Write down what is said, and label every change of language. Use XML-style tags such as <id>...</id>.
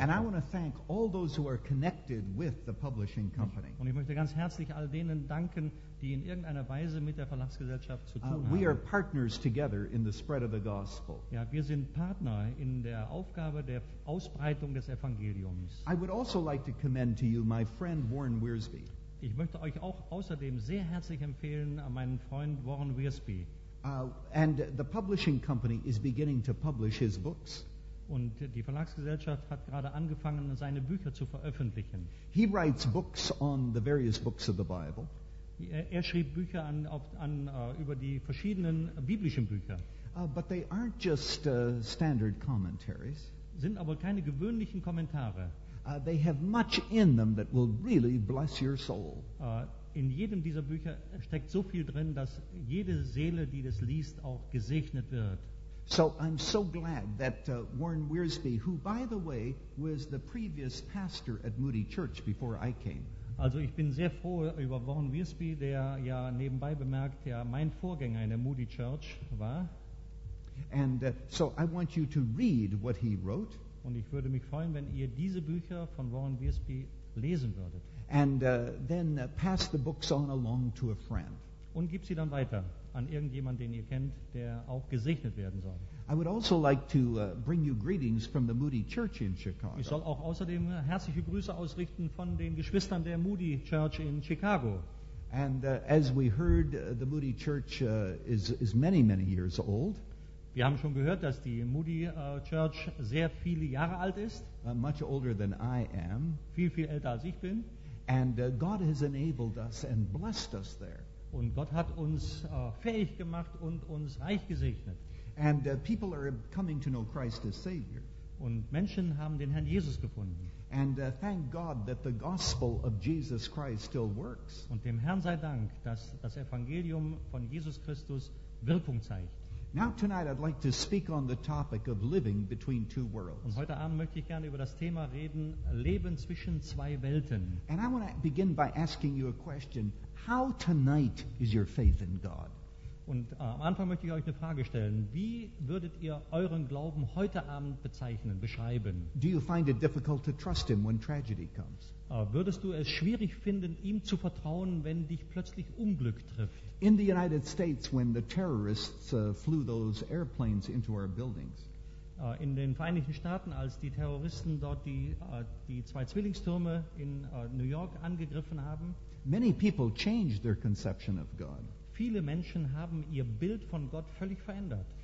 <en>And I want to thank all those who are connected with the publishing company.</en> <de>Und ich möchte ganz herzlich all denen danken, die in irgendeiner Weise mit der Verlagsgesellschaft zu tun haben.</de> <en>We are partners together in the spread of the gospel.</en> <de>Ja, wir sind Partner in der Aufgabe der Ausbreitung des Evangeliums.</de> <en>I would also like to commend to you my friend Warren Wiersbe.</en> <de>Ich möchte euch auch außerdem sehr herzlich empfehlen an meinen Freund Warren Wiersbe.</de> <en>And the publishing company is beginning to publish his books.</en> <de>Und die Verlagsgesellschaft hat gerade angefangen, seine Bücher zu veröffentlichen.</de> <en>He writes books on the various books of the Bible.</en> <de>Er schrieb Bücher über die verschiedenen biblischen Bücher.</de> <en>But they aren't just standard commentaries.</en> <de>Sind aber keine gewöhnlichen Kommentare.</de> <en>They have much in them that will really bless your soul.</en> <de>In jedem dieser Bücher steckt so viel drin, dass jede Seele, die das liest, auch gesegnet wird.</de> <en>So I'm so glad that Warren Wiersbe, who by the way was the previous pastor at Moody Church before I came.</en> <de>Also ich bin sehr froh über Warren Wiersbe, der ja nebenbei bemerkt, ja mein Vorgänger in der Moody Church war.</de> <en>And so I want you to read what he wrote.</en> <de>Und ich würde mich freuen, wenn ihr diese Bücher von Warren Wiersbe lesen würdet.</de> <en>And then pass the books on along to a friend.</en> <de>Und gib sie dann weiter an irgendjemanden, den ihr kennt, der auch gesegnet werden soll.</de> <en>I would also like to bring you greetings from the Moody Church in Chicago.</en> <de>Ich soll auch außerdem herzliche Grüße ausrichten von den Geschwistern der Moody Church in Chicago.</de> <en>And as we heard, the Moody Church is many, many years old.</en> <de>Wir haben schon gehört, dass die Moody Church sehr viele Jahre alt ist.</de> <en>Much older than I am.</en> <de>Viel, viel älter als ich bin.</de> <en>And God has enabled us and blessed us there.</en> <de>Und Gott hat uns fähig gemacht und uns reich gesegnet.</de> <en>And people are coming to know Christ as Savior.</en> <de>Und Menschen haben den Herrn Jesus gefunden.</de> <en>And thank God that the gospel of Jesus Christ still works.</en> <de>Und dem Herrn sei Dank, dass das Evangelium von Jesus Christus Wirkung zeigt.</de> <en>Now tonight I'd like to speak on the topic of living between two worlds.</en> <de>Und heute Abend möchte ich gerne über das Thema reden, Leben zwischen zwei Welten.</de> <en>And I want to begin by asking you a question. How tonight is your faith in God?</en> <de>Und am Anfang möchte ich euch eine Frage stellen. Wie würdet ihr euren Glauben heute Abend bezeichnen, beschreiben?</de> <en>Do you find it difficult to trust him when tragedy comes?</en> <de>Würdest du es schwierig finden, ihm zu vertrauen, wenn dich plötzlich Unglück trifft?</de> <en>In the United States, when the terrorists flew those airplanes into our buildings.</en> <de>In den Vereinigten Staaten, als die Terroristen dort die zwei Zwillingstürme in New York angegriffen haben.</de> <en>Many people changed their conception of God.</en> <de>Viele Menschen haben ihr Bild von Gott völlig verändert.</de>